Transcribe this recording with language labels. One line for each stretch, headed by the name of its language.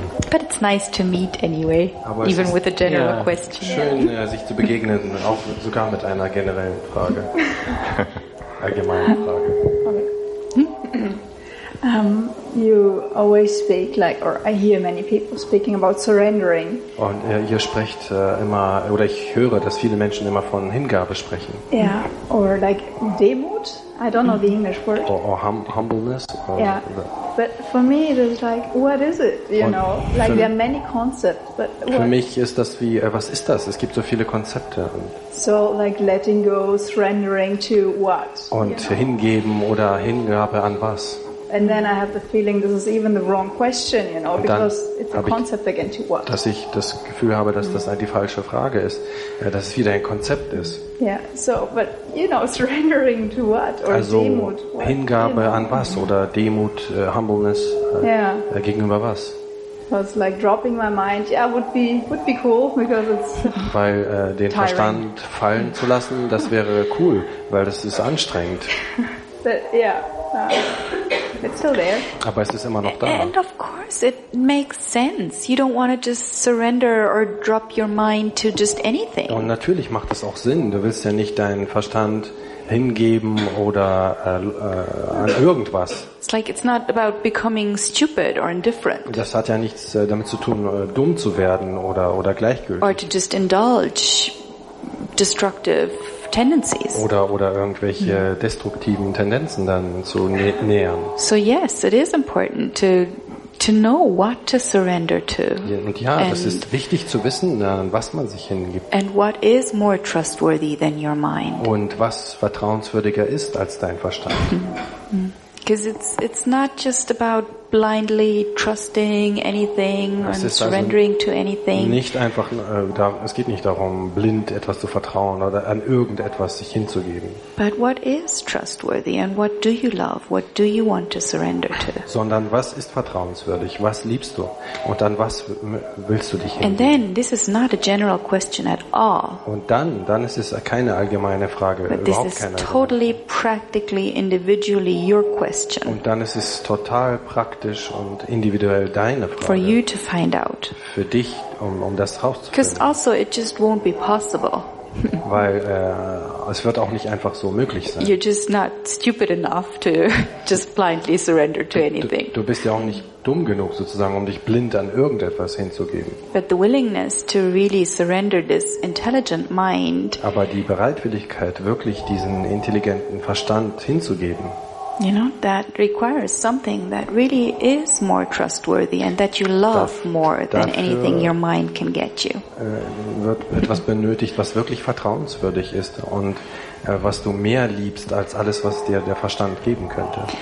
English: But it's nice to meet anyway, aber even with a general question.
German: Schön, sich zu begegnen, auch sogar mit einer generellen Frage, allgemeinen Frage.
English: You always speak like, or I hear many people speaking about surrendering.
German: Und ihr sprecht immer, oder ich höre, dass viele Menschen immer von Hingabe sprechen.
English: Yeah, or like Demut. I don't know the English word. Or humbleness. Or yeah. But for me, it is like, what is it? You know, like there are many concepts, but what?
German: Für mich ist das wie, was ist das? Es gibt so viele Konzepte.
English: So like letting go, surrendering to what?
German: Und hingeben oder Hingabe an was?
English: And then I have the feeling this is even the wrong question, you know, because it's a concept again to what?
German: Dass ich das Gefühl habe, dass das eine die falsche Frage ist, dass es wieder ein Konzept ist.
English: Yeah, so, but you know, surrendering to what or
German: also, Demut? Also Hingabe an was oder Demut, Humbleness gegenüber was?
English: Was like dropping my mind? Yeah, would be cool because it's.
German: Weil den
English: tiring.
German: Verstand fallen zu lassen, das wäre cool, weil das ist anstrengend.
English: But yeah. It's still there.
German: Aber es ist immer noch da.
English: And of course it makes sense. You don't want to just surrender or drop your mind to just anything.
German: Und natürlich macht es auch Sinn. Du willst ja nicht deinen Verstand hingeben oder an irgendwas.
English: It's like it's not about becoming stupid or indifferent.
German: Das hat ja nichts damit zu tun, dumm zu werden oder gleichgültig.
English: Or to just indulge destructive tendencies.
German: Oder irgendwelche destruktiven Tendenzen dann zu nähern.
English: So yes, it is important to know what to surrender to.
German: Und ja, das ist wichtig zu wissen, an was man sich hingibt.
English: And what is more trustworthy than your mind?
German: Und was vertrauenswürdiger ist als dein Verstand?
English: Because it's not just about blindly trusting anything and surrendering to anything.
German: Nicht einfach, es geht nicht darum, blind etwas zu vertrauen oder an irgendetwas sich hinzugeben.
English: But what is trustworthy and what do you love? What do you want to surrender to?
German: Sondern was ist vertrauenswürdig? Was liebst du? Und dann was willst du dich hingeben?
English: And then this is not a general question at all.
German: Und dann ist es keine allgemeine Frage, überhaupt keine.
English: But this is totally practically individually your question.
German: Und dann ist es total praktisch und individuell deine Frage.
English: For you to find out.
German: Für dich, um das rauszufinden.
English: Because also it just won't be possible.
German: Weil es wird auch nicht einfach so möglich sein.
English: You're just not stupid enough to just blindly surrender to anything.
German: Du bist ja auch nicht dumm genug sozusagen, um dich blind an irgendetwas hinzugeben.
English: But the willingness to really surrender this intelligent mind.
German: Aber die Bereitwilligkeit, wirklich diesen intelligenten Verstand hinzugeben.
English: You know, that requires something that really is more trustworthy and that you love more than anything your mind can get you.
German: Wird etwas benötigt, was wirklich vertrauenswürdig ist und was du mehr liebst als alles, was dir der Verstand geben könnte.